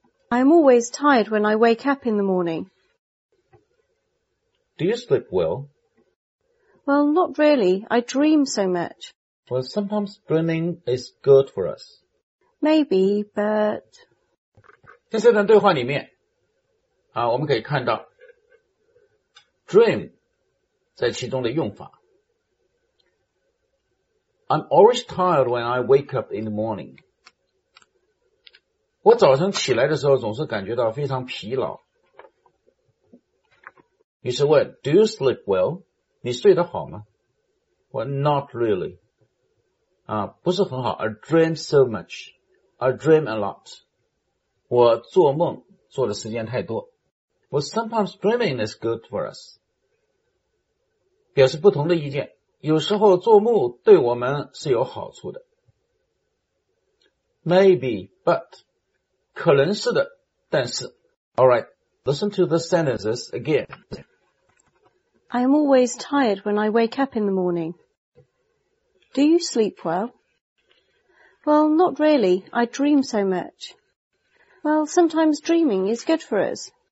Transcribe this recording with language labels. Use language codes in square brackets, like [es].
[en] I'm always tired when I wake up in the morning. Do you sleep well? Well, not really. I dream so much. Well, sometimes dreaming is good for us. Maybe, but... [zh] 在这段对话里面啊，我们可以看到 dream 在其中的用法。 [en] I'm always tired when I wake up in the morning. [zh] 我早上起来的时候总是感觉到非常疲劳。 [en] You say, well, do you sleep well? [zh] 你睡得好吗？ [en] Well, not really. [zh] 啊，不是很好。 [en] I dream so much. I dream a lot. [zh] 我做梦做的时间太多。 [en] Well, sometimes dreaming is good for us. [zh] 表示不同的意见。有时候做梦对我们是有好处的。 [en] Maybe, but, [zh] 可能是的，但是。 [en] Alright, listen to the sentences again. I am always tired when I wake up in the morning. Do you sleep well? Well, not really. I dream so much. Well, sometimes dreaming is good for us.